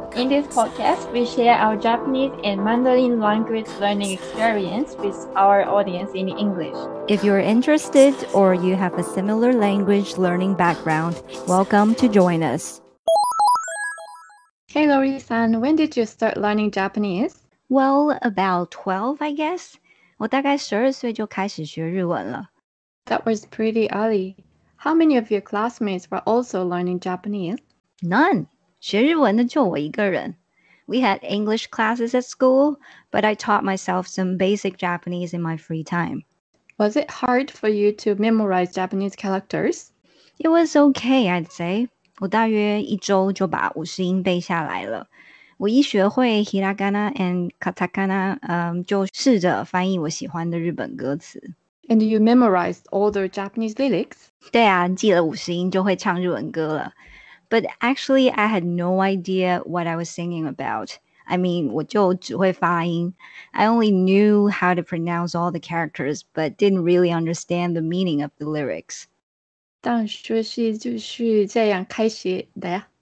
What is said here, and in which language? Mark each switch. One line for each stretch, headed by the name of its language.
English: In this podcast, we share our Japanese and Mandarin language learning experience with our audience in English. If you're interested or you have a similar language learning background, welcome to join us. Hey Laurie-san, when did you start learning Japanese? Well, about 12, I guess.
Chinese: 我大概12岁就开始学日文了。
English: That was pretty early. How many of your classmates were also learning Japanese? None.
Chinese: 学日文的就我一个人。
English: We had English classes at school, but I taught myself some basic Japanese in my free time. Was it hard for you to memorize Japanese characters? It was okay, I'd say.
Chinese: 我大约一周就把50音背下来了。我一学会 hiragana and katakana, 就试着翻译我喜欢的日本歌词。
English: And you memorized all the Japanese lyrics?
Chinese: 对啊，记了五十音就会唱日文歌了。
English: But actually, I had no idea what I was singing about. I mean,
Chinese: 我就只会发音。
English: I only knew how to pronounce all the characters, but didn't really understand the meaning of the lyrics.
Chinese: 但学习就是这样开始的呀。